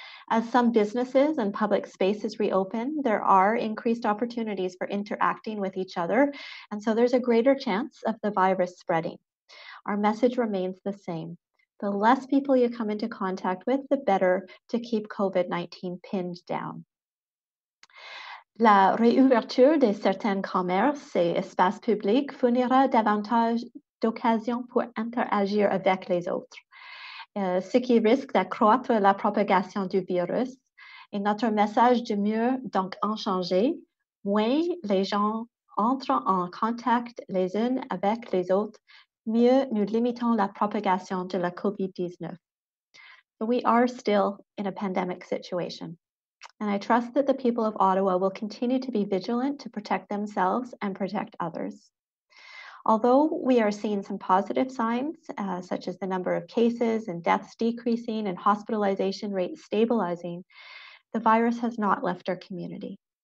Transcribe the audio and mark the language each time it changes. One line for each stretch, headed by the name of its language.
English: As some businesses and public spaces reopen, there are increased opportunities for interacting with each other. And so there's a greater chance of the virus spreading. Our message remains the same. The less people you come into contact with, the better to keep COVID-19 pinned down.
French: La réouverture de certains commerces et espaces publics fournira davantage d'occasions pour interagir avec les autres, ce qui risque d'accroître la propagation du virus. Et notre message demeure donc inchangé, moins les gens entrent en contact les uns avec les autres, mieux nous limitons la propagation de la COVID-19.
English: But we are still in a pandemic situation. And I trust that the people of Ottawa will continue to be vigilant to protect themselves and protect others. Although we are seeing some positive signs, such as the number of cases and deaths decreasing and hospitalization rates stabilizing, the virus has not left our community.